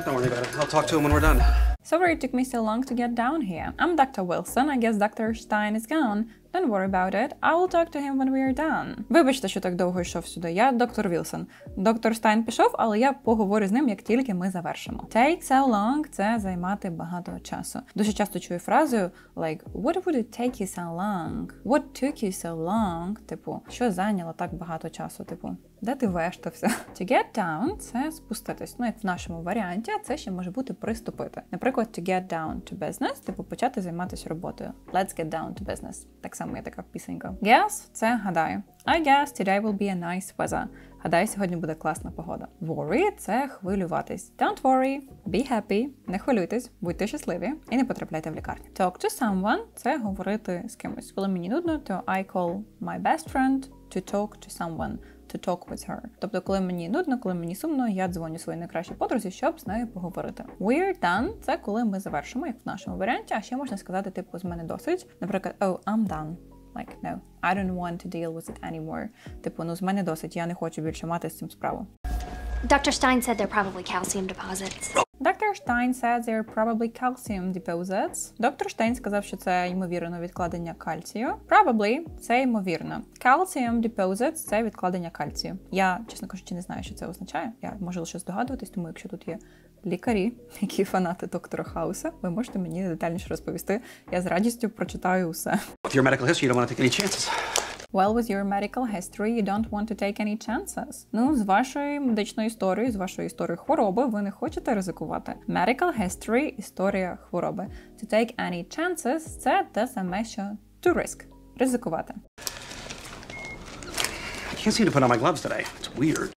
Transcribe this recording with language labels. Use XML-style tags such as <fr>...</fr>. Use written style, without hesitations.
<en>Don't worry about it. I'll talk to him when we're done. Sorry, it took me so long to get down here. I'm Dr. Wilson. I guess Dr. Stein is gone. Don't worry about it. I will talk to him when we are done.</en> <uk>Вибачте, що так довго йшов сюди. Я доктор Вілсон. Доктор Стайн пішов, але я поговорю з ним, як тільки ми завершимо. Take so long – це займати багато часу. Дуже часто чую фразу,</uk> <en>like, what would it take you so long? What took you so long?</en> <uk>Типу, що зайняло так багато часу? Типу, де ти вештався? To get down – це спуститись. Ну, як в нашому варіанті, а це ще може бути приступити. Наприклад,</uk> <en>to get down to business</en> <uk>– типу, почати займатися роботою.</uk> <en>Let's get down to business.</en> <uk>Так само є така пісенька. Guess – це гадаю.</uk> <en>I guess today will be a nice weather.</en> <uk>Гадаю, сьогодні буде класна погода.</uk> <en>Worry –</en> <uk>це хвилюватись.</uk> <en>Don't worry, be happy.</en> <uk>Не хвилюйтесь, будьте щасливі і не потрапляйте в лікарню. Talk to someone – це говорити з кимось. Коли мені нудно, то</uk> <en>I call my best friend to talk to someone. To talk with her.</en> <uk>Тобто, коли мені нудно, коли мені сумно, я дзвоню своїй найкращій подрузі, щоб з нею поговорити. We're done – це коли ми завершимо, як в нашому варіанті, а ще можна сказати, типу, з мене досить.</uk> <en>Наприклад, oh, I'm done. Like, no, I don't want to deal with it anymore.</en> <uk>Типу, ну, з мене досить, я не хочу більше мати з цим справу.</uk> <en>Dr. Stein said they're probably calcium deposits. Dr. Stein said they're probably calcium deposits.</en> <uk>Доктор Штайн сказав, що це ймовірно відкладення кальцію. Probably – це ймовірно. Calcium deposits – це відкладення кальцію. Я, чесно кажучи, не знаю, що це означає. Я можу лише здогадуватись, тому якщо тут є лікарі, які фанати доктора Хауса, ви можете мені детальніше розповісти. Я з радістю прочитаю усе.</uk> <en>With your medical history, you don't want to take any chances. Well, with your medical history, you don't want to take any chances.</en> <uk>Ну, з вашою медичною історією, з вашою історією хвороби, ви не хочете ризикувати.</uk> <en>Medical history – історія хвороби. To take any chances –</en> <uk>це те саме, що</uk> <en>to risk – ризикувати. I can't seem to put on my gloves today. It's weird.</en>